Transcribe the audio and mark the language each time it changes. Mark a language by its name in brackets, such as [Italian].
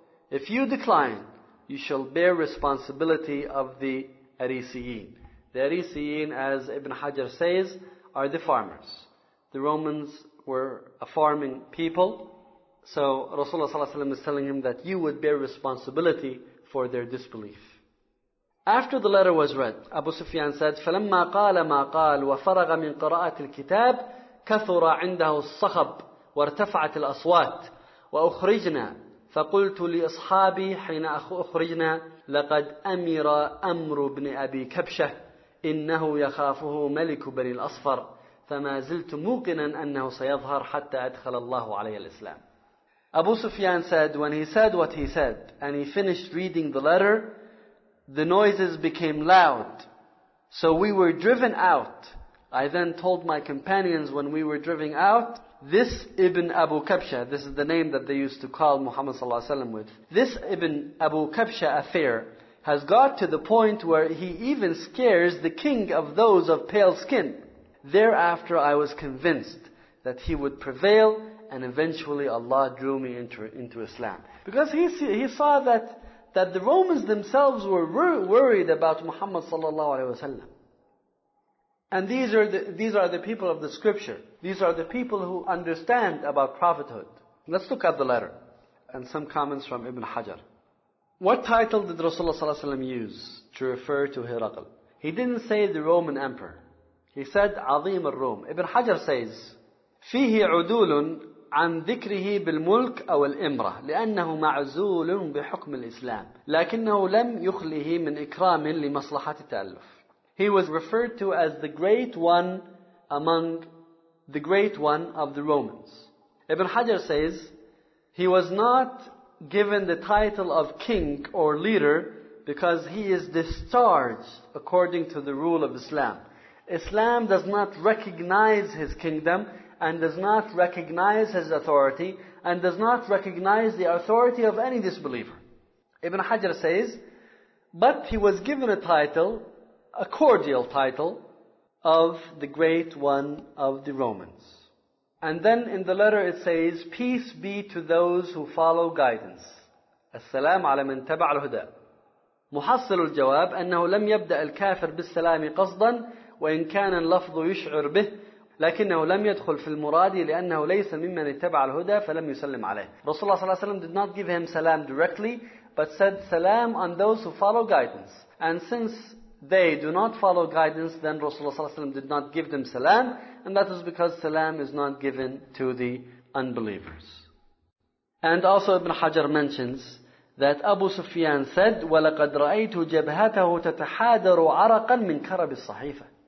[English] If you decline, you shall bear responsibility of the Arisiyin. The Arisiyin, as Ibn Hajar says, are the farmers. The Romans were a farming people. So Rasulullah ﷺ is telling him that you would bear responsibility for their disbelief. After the letter was read, Abu Sufyan said, [Arabic] فَلَمَّا قَالَ مَا قَالَ وَفَرَغَ مِنْ قَرَاءَةِ الْكِتَابِ كَثُرَ عِنْدَهُ الصَّخَبُ وَارْتَفَعَتِ الْأَصْوَاتِ وَأُخْرِجْنَا فَقُلْتُ لِأَصْحَابِي حِينَ أُخْرِجْنَا لَقَدْ أَمِرَ أَمْرُ بْنِ أَبِي كَبْشَةِ إِنَّهُ يَخَافُهُ مَلِكُ بَنِي الْأَصْفَرِ فَمَا زِلْتُ مُوقِنًا أَنَّهُ سَيَظْهَرْ حَتَّى أَدْخَلَ اللَّهُ عَلَيْهِ الْإِسْلَامِ. [English] Abu Sufyan said, when he said what he said, and he finished reading the letter, the noises became loud. So we were driven out. I then told my companions when we were driven out, this Ibn Abu Kabsha, this is the name that they used to call Muhammad sallallahu alaihi wasallam with, this Ibn Abu Kabsha affair has got to the point where he even scares the king of those of pale skin. Thereafter I was convinced that he would prevail, and eventually Allah drew me into Islam. Because he saw that the Romans themselves were worried about Muhammad sallallahu alaihi wasallam. And these are the people of the scripture. These are the people who understand about prophethood. Let's look at the letter and some comments from Ibn Hajar. What title did Rasulullah sallallahu alaihi wasallam use to refer to Hiraql? He didn't say the Roman emperor. He said Azim al-Rum. Ibn Hajar says, [Arabic] فِيهِ عُدُولٌ عَنْ ذِكْرِهِ بِالْمُلْكِ أَوْ الْإِمْرَةِ لِأَنَّهُ مَعْزُولٌ بِحُكْمِ الْإِسْلَامِ لَكِنَّهُ لَمْ يُخْلِهِ مِنْ إِكْرَامٍ لِمَصْلَحَةِ التَّأَلُّفِ. [English] He was referred to as the great one among the great one of the Romans. Ibn Hajar says, he was not given the title of king or leader because he is discharged according to the rule of Islam. Islam does not recognize his kingdom and does not recognize his authority and does not recognize the authority of any disbeliever. Ibn Hajar says, but he was given a title, a cordial title, of the great one of the Romans. And then in the letter it says, peace be to those who follow guidance. [Arabic] As-salamu ala man taba' al-huda. محصل الجواب أنه لم يبدأ الكافر بالسلام قصدا وإن كان اللفظ يشعر به لكنه لم يدخل في المراد لأنه ليس ممن اتبع الهدى فلم يسلم عليه. [English] Rasulullah صلى الله عليه وسلم did not give him salam directly, but said salam on those who follow guidance. And since they do not follow guidance, then Rasulullah صلى الله عليه وسلم did not give them salam, and that is because salam is not given to the unbelievers. And also Ibn Hajar mentions that Abu Sufyan said, [Arabic] وَلَقَدْ رَأَيْتُ جَبْهَتَهُ تَتَحَادَرُ عَرَقًا مِنْ كَرَبِ الصَّحِيفَةِ.